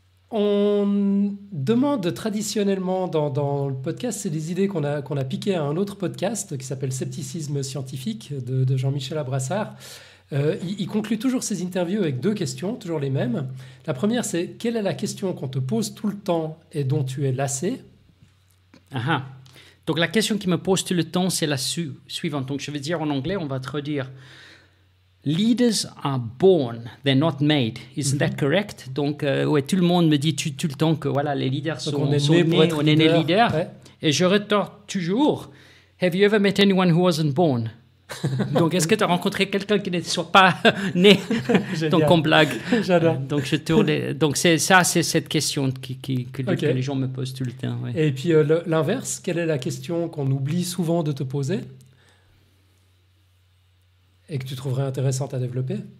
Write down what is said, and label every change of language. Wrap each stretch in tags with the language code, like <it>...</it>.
<fr>On demande traditionnellement dans le podcast, c'est des idées qu'on a piquées à un autre podcast qui s'appelle Scepticisme scientifique de Jean-Michel Abrassard. Il conclut toujours ses interviews avec 2 questions, toujours les mêmes. La première, c'est quelle est la question qu'on te pose tout le temps et dont tu es lassé? Donc la question qui me pose tout le temps, c'est la suivante. Donc je vais dire en anglais, on va traduire.</fr> <en>Leaders are born, they're not made. Isn't that correct?</en> <fr>Donc tout le monde me dit tout le temps que voilà, les leaders sont nés leaders. Ouais. Et je retors toujours.</fr> <en>Have you ever met anyone who wasn't born?</en> <fr>Donc est-ce que tu as rencontré quelqu'un qui ne soit pas né? Donc on blague. J'adore. Donc c'est cette question que les gens me posent tout le temps. Ouais. Et puis l'inverse, quelle est la question qu'on oublie souvent de te poser et que tu trouverais intéressante à développer?</fr>